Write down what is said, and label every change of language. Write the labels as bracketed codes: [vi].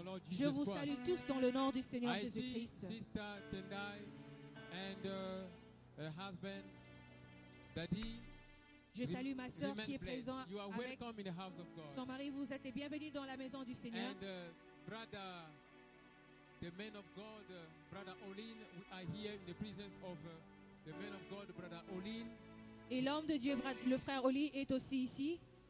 [fr] Je vous salue tous dans le nom du Seigneur Jésus-Christ. [en] I see Sister Tendai and her husband, Daddy. [fr] Je salue ma sœur qui est présente. [en] You are welcome in the house of God. [fr] Son mari, vous êtes les bienvenus dans la maison du Seigneur. [en] And brother, the man of God, brother Olin, we are here in the presence of the man of God, brother Olin. [fr] Et l'homme de Dieu, le frère Olin, est aussi ici.